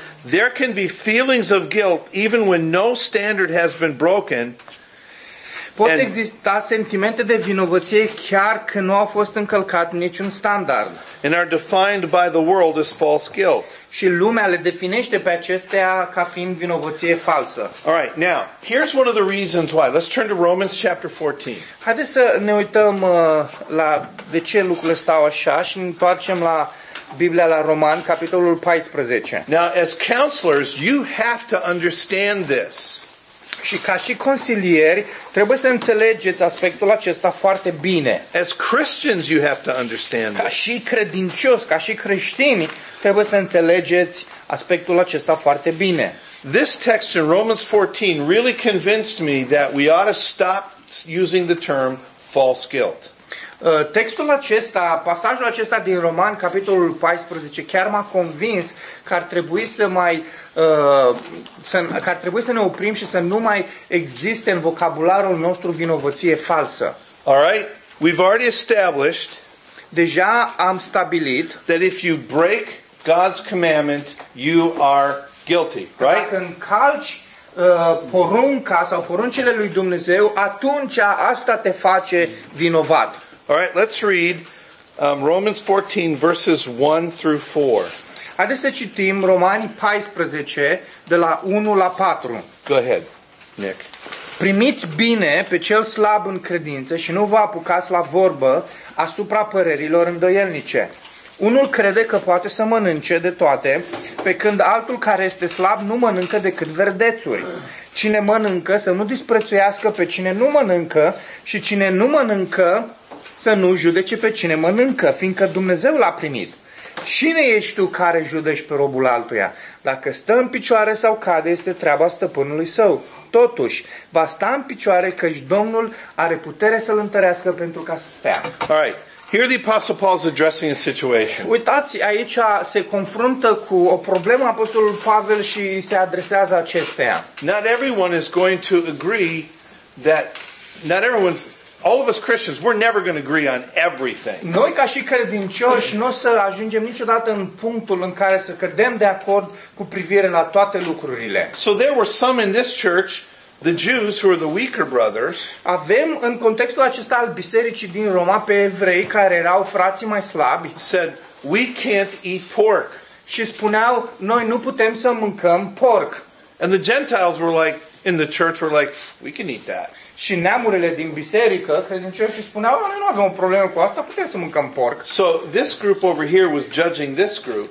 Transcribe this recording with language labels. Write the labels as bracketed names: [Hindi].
[English] There can be feelings of guilt even when no standard has been broken. [Romanian] Pot exista sentimente de vinovăție chiar când nu a fost încălcat niciun standard. [English] And are defined by the world as false guilt. [Romanian] Și lumea le definește pe acestea ca fiind vinovăție falsă. [English] All right, now, here's one of the reasons why. Let's turn to Romans chapter 14. [Romanian] Haideți să ne uităm la de ce lucrurile stau așa și ne întoarcem la Biblia la Roman, capitolul 14. [English] Now, as counselors, you have to understand this. [Romanian] Și ca și consilieri, trebuie să înțelegeți aspectul acesta foarte bine. [English] As Christians, you have to understand. [Romanian] Ca și credincioși, ca și creștini, trebuie să înțelegeți aspectul acesta foarte bine. [English] This text in Romans 14 really convinced me that we ought to stop using the term false guilt. [Romanian] Textul acesta, pasajul acesta din Roman, capitolul 14, chiar m-a convins că ar trebui să mai că ar trebui să ne oprim și să nu mai existe în vocabularul nostru vinovăție falsă. [English] All right, we've already established [Romanian] deja am stabilit [English] that if you break God's commandment, you are guilty, right? [Romanian] Dacă încalci porunca sau poruncile lui Dumnezeu, atunci asta te face vinovat. [English] All right, let's read Romans 14 verses 1 through 4. [Romanian] Haideți să citim Romani 14 de la 1 la 4. [English] Go ahead, Nick. [Romanian] Primiți bine pe cel slab în credință și nu vă apucați la vorbă asupra părerilor îndoielnice. Unul crede că poate să mănânce de toate, pe când altul care este slab nu mănâncă decât verdețuri. Cine mănâncă să nu disprețuiască pe cine nu mănâncă și cine nu mănâncă să nu judece pe cine mănâncă, fiindcă Dumnezeu l-a primit. Cine ești tu care judești pe robul altuia? Dacă stă în picioare sau cade, este treaba stăpânului său. Totuși, va sta în picioare căci Domnul are putere să-l întărească pentru ca să stea. [English] All right. Here the Apostle Paul is addressing a situation. [Romanian] Uitați, aici se confruntă cu o problemă Apostolul Pavel și se adresează acesteia. [English] Not everyone is going to agree that not everyone's all of us Christians, we're never going to agree on everything. [Romanian] Noi ca și credincioși nu o să ajungem niciodată în punctul în care să cădem de acord cu privire la toate lucrurile. [English] So there were some in this church, the Jews who are the weaker brothers. [Romanian] Avem în contextul acesta al bisericii din Roma pe evrei care erau frații mai slabi. [English] Said, we can't eat pork. [Romanian] Și spuneau, noi nu putem să mâncăm porc. [English] And the Gentiles were like, in the church were like, we can eat that. [Romanian] Și neamurile din biserică, credincioși, spuneau, noi nu avem o problemă cu asta, putem să mâncăm porc. [English] So this group over here was judging this group.